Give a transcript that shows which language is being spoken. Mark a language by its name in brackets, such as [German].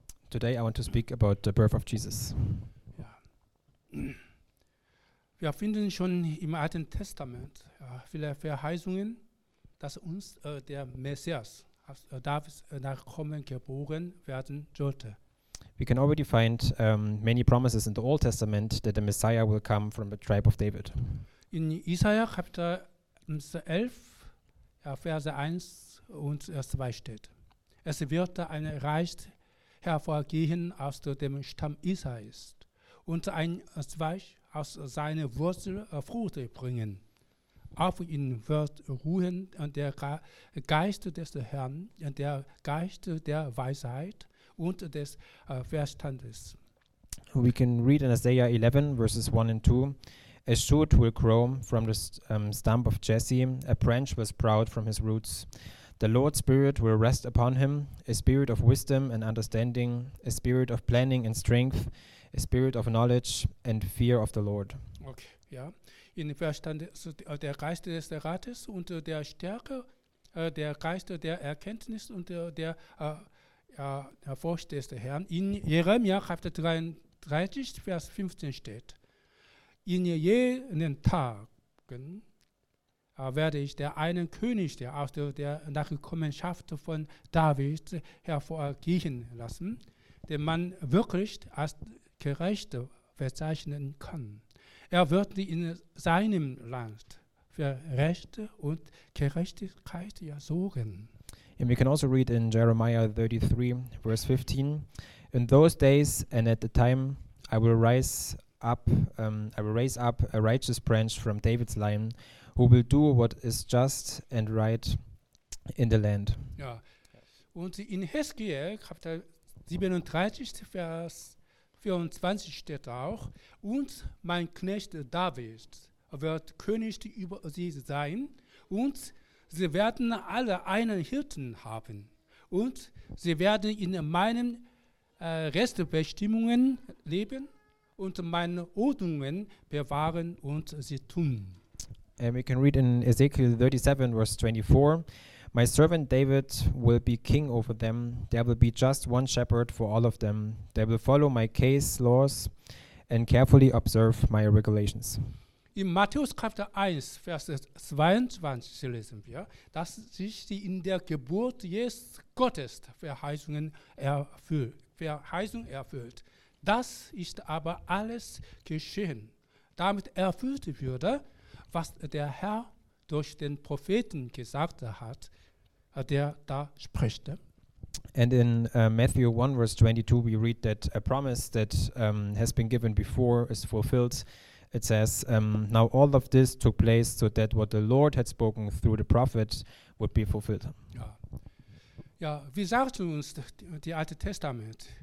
[English] Today I want to speak about the birth of Jesus. [German] Ja. Wir finden schon im Alten Testament viele Verheißungen, dass uns der Messias, Davids Nachkommen geboren werden sollte. [English] we can already find many promises in the Old Testament that the Messiah will come from the tribe of David. In Isaiah chapter 11, [German] Verse 1 und 2 steht: Es wird ein Reich hervorgehen aus dem Stamm Isais und ein Zweig aus seiner Wurzel Frucht bringen. Auf ihn wird ruhen der Geist des Herrn, der Geist der Weisheit und des Verstandes. [English] We can read in Isaiah 11, verses 1 and 2. A shoot will grow from the stump of Jesse, a branch will sprout from his roots. The Lord's Spirit will rest upon him, a spirit of wisdom and understanding, a spirit of planning and strength, a spirit of knowledge and fear of the Lord. [German] Okay, ja. In Verstand der Geist des Rates und der Stärke, der Geist der Erkenntnis und der Furcht des Herrn. In Jeremia, Kapitel 33, Vers 15 steht: In jenen Tagen werde ich der einen König, der aus der Nachkommenschaft von David hervorgehen lassen, den man wirklich als gerecht bezeichnen kann. Er wird in seinem Land für Recht und Gerechtigkeit sorgen. [English] And we can also read in Jeremiah 33, verse 15: In those days and at the time I will rise up, I will raise up a righteous branch from David's line, who will do what is just and right in the land. [German] Ja. Und in Hesekiel, Kapitel 37, Vers 24 steht auch: Und mein Knecht David wird König über sie sein, und sie werden alle einen Hirten haben, und sie werden in meinen Restbestimmungen leben und meine Ordnungen bewahren und sie tun. [English] And we can read in Ezekiel 37, verse 24: My servant David will be king over them. There will be just one shepherd for all of them. They will follow my case laws and carefully observe my regulations. [German] In Matthäus Kapitel 1, Vers 22 lesen wir, dass sich die in der Geburt Jesu Gottes Verheißung erfüllt. Das ist aber alles geschehen, damit erfüllt würde, was der Herr durch den Propheten gesagt hat, der da spricht. [English] And in Matthew 1, verse 22, we read that a promise that has been given before is fulfilled. It says, now all of this took place, so that what the Lord had spoken through the prophet would be fulfilled. [German] Ja, ja, wie sagt uns die Alte Testament?